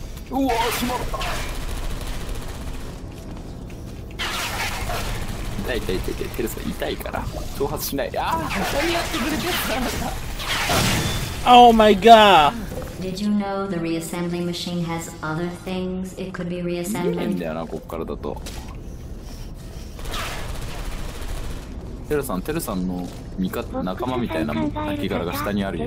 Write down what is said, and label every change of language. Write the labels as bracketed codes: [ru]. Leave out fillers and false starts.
[ja] うわー、しまった。痛い、テルさん痛いから挑発しない。あー、何やってくれてる [en] か。Oh my god! Did you know the reassembly machine has other things it could be reassembling? [ja] 見えんだよな、こっからだと。テルさんの仲間みたいな泣き殻が下にあるよ。